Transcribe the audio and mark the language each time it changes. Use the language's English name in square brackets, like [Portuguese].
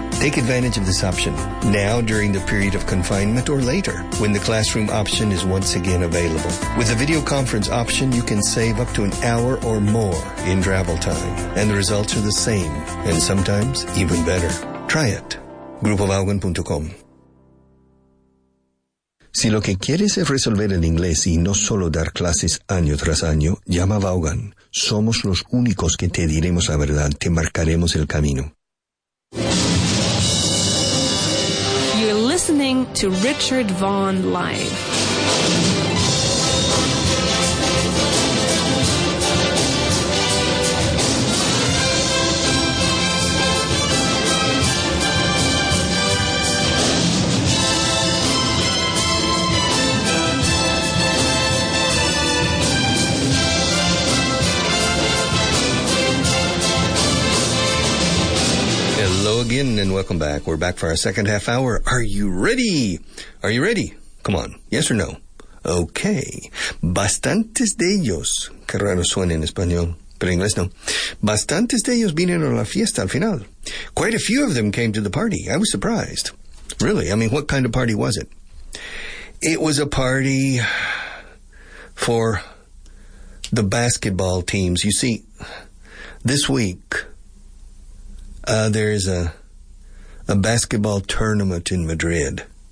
[English] Take advantage of this option now during the period of confinement or later when the classroom option is once again available. With the video conference option, you can save up to an hour or more in travel time. And the results are the same and sometimes even better. Try it. groupofaugen.com. [Spanish] Si lo que quieres es resolver el inglés y no solo dar clases año tras año, llama a Vaughan. Somos los únicos que te diremos la verdad, te marcaremos el camino. [English] You're listening to Richard Vaughan Live. Again, and welcome back. We're back for our second half hour. Are you ready? Are you ready? Come on. Yes or no? Okay. [Spanish] Bastantes de ellos. Qué raro suena en español, pero en inglés no. Bastantes de ellos vinieron a la fiesta al final. [English] Quite a few of them came to the party. I was surprised. Really? I mean, what kind of party was it? It was a party for the basketball teams. You see, this week, there's a basketball tournament in Madrid.